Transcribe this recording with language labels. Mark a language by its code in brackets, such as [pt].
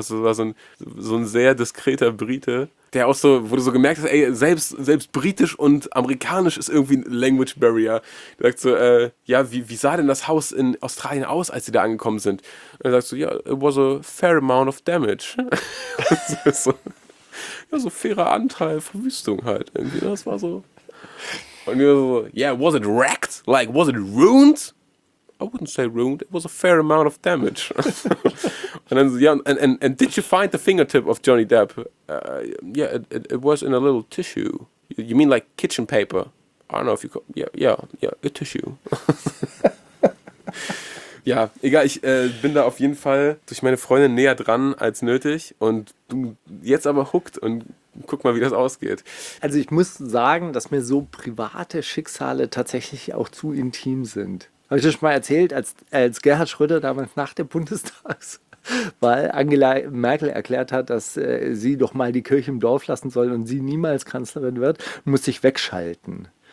[de] Das war so ein sehr diskreter Brite, der auch so, wo du so gemerkt hast, ey, selbst britisch und amerikanisch ist irgendwie ein Language Barrier. Du sagst so, ja, wie sah denn das Haus in Australien aus, als sie da angekommen sind? Und dann sagst du, ja, [en] it was a fair amount of damage. [de] So, ja, so fairer Anteil Verwüstung halt irgendwie. Das war so. Und wir so, [en] yeah, was it wrecked? Like, was it ruined? I wouldn't say ruined, it was a fair amount of damage. [de] Und dann so, ja, [en] and did you find the fingertip of Johnny Depp? Yeah, it was in a little tissue. You mean like kitchen paper? I don't know if you call, yeah, a tissue. [de] Ja, egal, ich bin da auf jeden Fall durch meine Freundin näher dran als nötig und du jetzt aber hooked und guck mal, wie das ausgeht. Also ich muss sagen, dass mir so private Schicksale tatsächlich auch zu intim sind. Habe ich das schon mal erzählt, als Gerhard Schröder damals nach der Bundestagswahl Angela Merkel erklärt hat, dass sie doch mal die Kirche im Dorf lassen soll und sie niemals Kanzlerin wird, musste ich wegschalten.